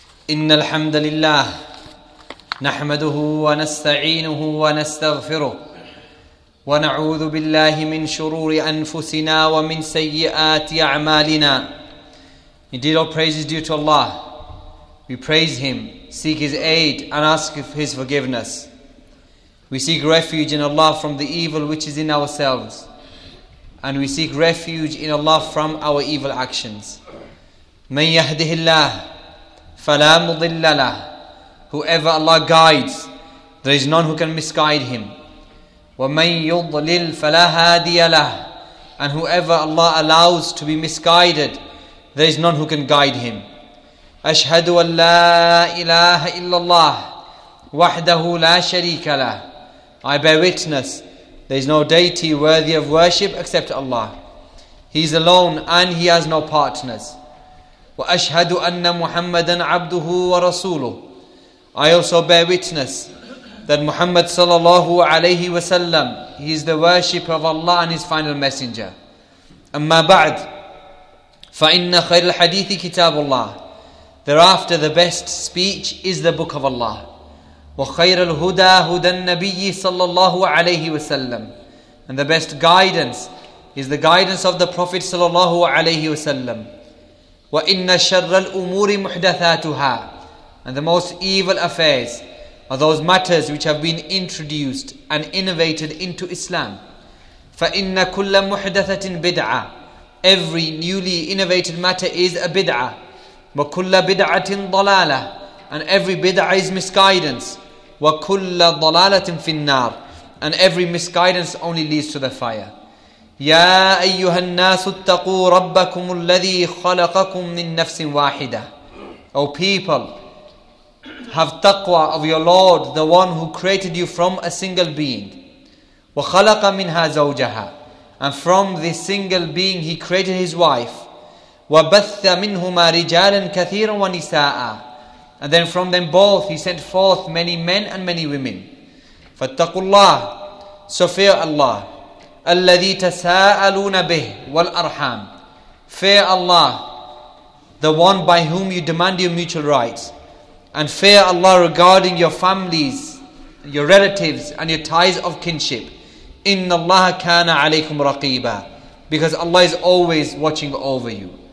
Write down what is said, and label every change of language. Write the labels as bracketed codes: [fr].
[ar] إن الحمد لله نحمده ونستعينه ونستغفره ونعوذ بالله من شرور أنفسنا ومن سيئات أعمالنا. [en] Indeed, all praise is due to Allah. We praise Him, seek His aid, and ask His forgiveness. We seek refuge in Allah from the evil which is in ourselves, and we seek refuge in Allah from our evil actions. [ar] من يهده الله فلا مضل له. [en] Whoever Allah guides, there is none who can misguide him. [ar] وَمَنْ يُضْلِلْ فَلَا هَادِيَ لَهُ. [en] And whoever Allah allows to be misguided, there is none who can guide him. [ar] أَشْهَدُ أَنْ لَا إِلَهَ إِلَّا اللَّهِ وَحْدَهُ لَا شَرِيكَ لَهُ. [en] I bear witness, there is no deity worthy of worship except Allah. He is alone and He has no partners. [ar] وَأَشْهَدُ أَنَّ مُحَمَّدًا عَبْدُهُ وَرَسُولُهُ. [en] I also bear witness that Muhammad sallallahu alayhi wa sallam, he is the worshipper of Allah and his final messenger. [ar] Amma ba'd, فَإِنَّ خَيْرِ الْحَدِيثِ كِتَابُ اللَّهِ. [en] Thereafter, the best speech is the book of Allah. [ar] وَخَيْرَ الْهُدَى هُدَى النَّبِيِّ [en] sallallahu alayhi wa sallam. And the best guidance is the guidance of the Prophet sallallahu alayhi wa sallam. [ar] وَإِنَّ شَرَّ الْأُمُورِ مُحْدَثَاتُهَا. [en] And the most evil affairs are those matters which have been introduced and innovated into Islam. [ar] فَإِنَّ كُلَّ مُحْدَثَةٍ بِدْعَةٍ. [en] Every newly innovated matter is a bid'ah. [ar] وَكُلَّ بِدْعَةٍ ضَلَالَةٍ. [en] And every bid'ah is misguidance. [ar] وَكُلَّ ضَلَالَةٍ فِي النَّارِ. [en] And every misguidance only leads to the fire. [ar] يا أيها الناس اتقوا ربكم الذي خلقكم من نفس واحدة. [en] O people, have taqwa of your Lord, the one who created you from a single being. [ar] وخلق منها زوجها. [en] And from this single being he created his wife. [ar] وبث منهما رجالا كثيرا ونساء. [en] And then from them both he sent forth many men and many women. [ar] فاتقوا الله. [en] So fear Allah. [ar] الذي تساءلون به والأرحام. [en] Fear Allah, the one by whom you demand your mutual rights. And fear Allah regarding your families, your relatives, and your ties of kinship. [ar] إن الله كان عليكم رقيبا. [en] Because Allah is always watching over you.